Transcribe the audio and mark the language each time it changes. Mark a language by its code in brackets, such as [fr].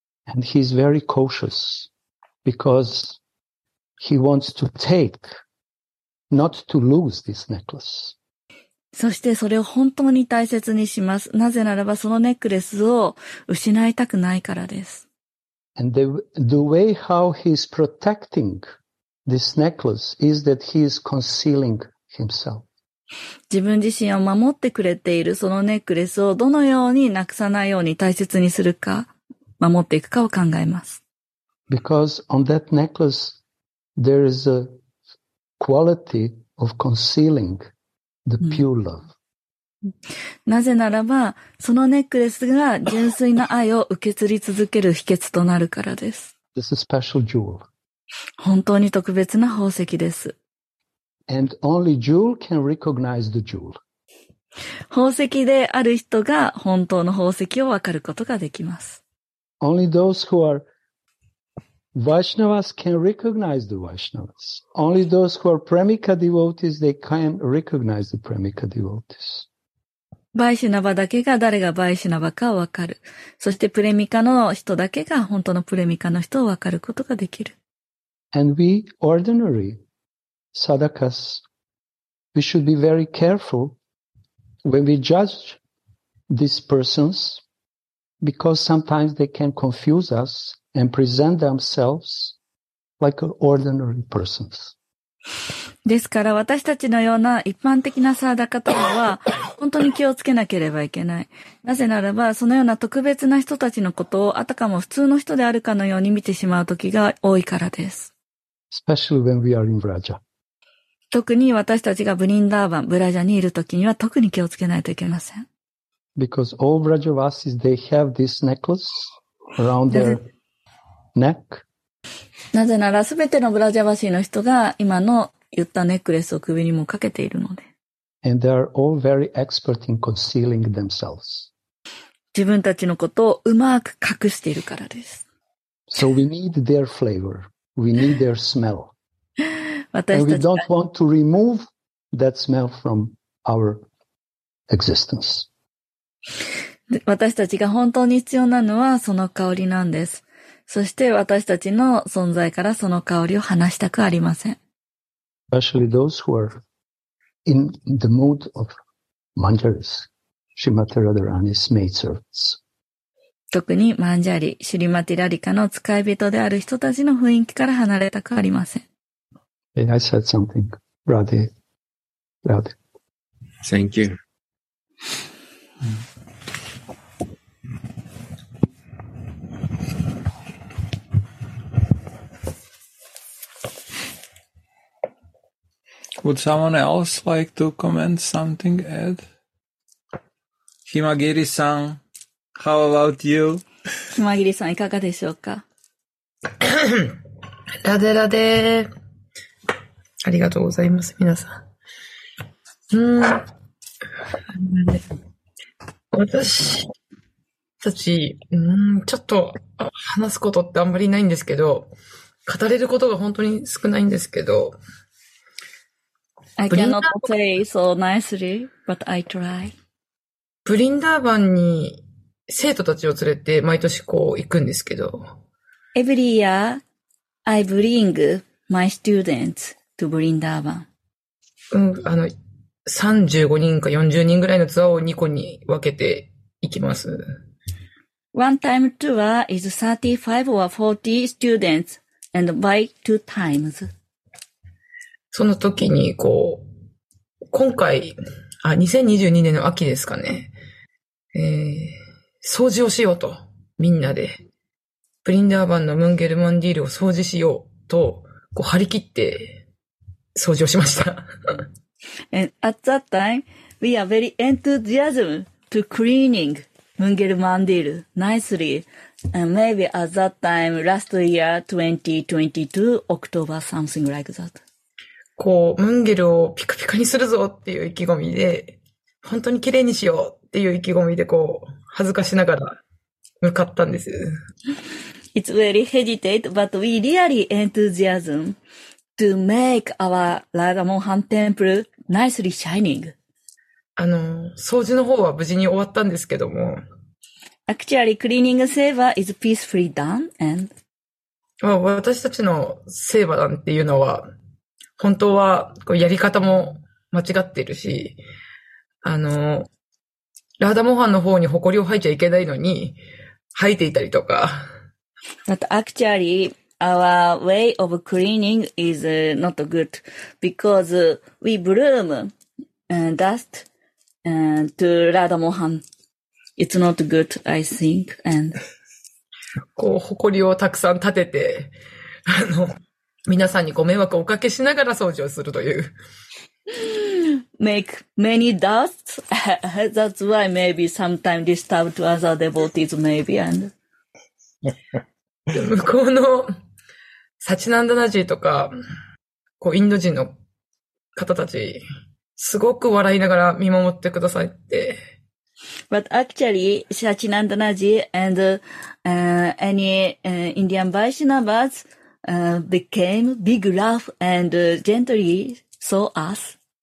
[en] And he's very cautious because he wants to take, not to lose this necklace. [ja] そしてそれを本当に大切にします。なぜならばそのネックレスを失いたくないからです。 [en] And the way how he's protecting this necklace is that he is concealing himself. [ja] 自分自身を守ってくれているそのネックレスをどのようになくさないように大切にするか、守っていくかを考えます。 [en] Because on that necklace, there is a quality of concealing. The pure love. [ja] なぜならば、そのネックレスが純粋な愛を受け継ぎ続ける秘訣となるからです。 [en] This is special jewel. [ja] 本当に特別な宝石です。 [en] And only jewel can recognize the jewel. [ja] 宝石である人が本当の宝石を分かることができます。 [en] Only those who are Vaishnavas can recognize the Vaishnavas. Only those who are Premika devotees, they can recognize the Premika devotees. [ja] Vaishnava だけが誰が Vaishnava かを分かる。そして Premika の人だけが本当の Premika の人を分かることができる。 [en] And we ordinary sadhakas, we should be very careful when we judge these persons because sometimes they can confuse us and present themselves like ordinary persons. [ja] ですから私たちのような一般的なサーダカとかは本当に気をつけなければいけない。なぜならばそのような特別な人たちのことをあたかも普通の人であるかのように見てしまう時が多いからです。 [en] Especially when we are in Vraja. [ja] 特に私たちがブリンダーバン、ブラジャにいる時には特に気をつけないといけません。 [en] Because all Vrajavasis, they have this necklace around their neck. [ja] なぜならすべてのブラジャバシーの人が今の言ったネックレスを首にもかけているので。 [en] And they are all very expert in concealing themselves. [ja] 自分たちのことをうまく隠しているからです。 [en] So we need their flavor. We need their smell. [ja] 私たち [en] And we don't want to remove that smell from our existence. [ja] 私たちが本当に必要なのはその香りなんです。そして私たちの存在からその香りを離したくありません。 [en] Especially those who are in the mood of Manjaris, Srimati Radharani's maid servants. [ja] 特にマンジャリ、シュリマティラリカの使い人である人たちの雰囲気から離れたくありません。 [en] Hey, I said something, Radhe. Radhe. Thank you. Would someone else like to comment something, Ed? Himagiri-san, how about you? [ja] Himagiri-san, いかがでしょうか? ラデラデ。ありがとうございます、皆さん。私たち、ちょっと話すことってあんまりないんですけど、語れることが本当に少ないんですけど、 [en] I cannot play so nicely, but I try. [ja] ブリンダーバンに生徒たちを連れて毎年こう行くんですけど。 [en] Every year, I bring my students to ブリンダーバン。 [ja] 35人か40人ぐらいのツアーを2個に分けて行きます。 [en] One time tour is 35 or 40 students and by two times. [ja] その時に、こう、今回、あ、2022年の秋ですかね。掃除をしようと、みんなで。ブリンダーバンのムンゲルマンディールを掃除しようと、こう、張り切って、掃除をしました。 [en] And at that time, we are very enthusiastic to cleaning ムンゲルマンディール nicely. And maybe at that time, last year, 2022, October, something like that. [ja] こうムンゲルをピカピカにするぞっていう意気込みで本当に綺麗にしようっていう意気込みでこう恥ずかしながら向かったんです。 [en] It's very hesitant, but we really enthusiasm to make our Radha Mohan temple nicely shining. [ja] 掃除の方は無事に終わったんですけども。 [en] Actually, cleaning seva is peacefully done and、 [ja] まあ、私たちのセーバなんていうのは本当は、こう、やり方も間違ってるし、ラーダモハンの方に誇りを吐いちゃいけないのに、吐いていたりとか。 [en] But actually, our way of cleaning is not good because we bloom dust to ラーダモハン. It's not good, I think, and. [ja] こう、誇りをたくさん立てて、皆さんにご迷惑をおかけしながら掃除をするという。 [en] Make many dusts. That's why maybe sometimes disturb to other devotees, maybe. And [ja] 向こうのサチナンダナジーとか、こうインド人の方たち、すごく笑いながら見守ってくださいって。 [en] But actually, Sachinanda Naji and any Indian Vaishnavas,became big laugh and gently saw us.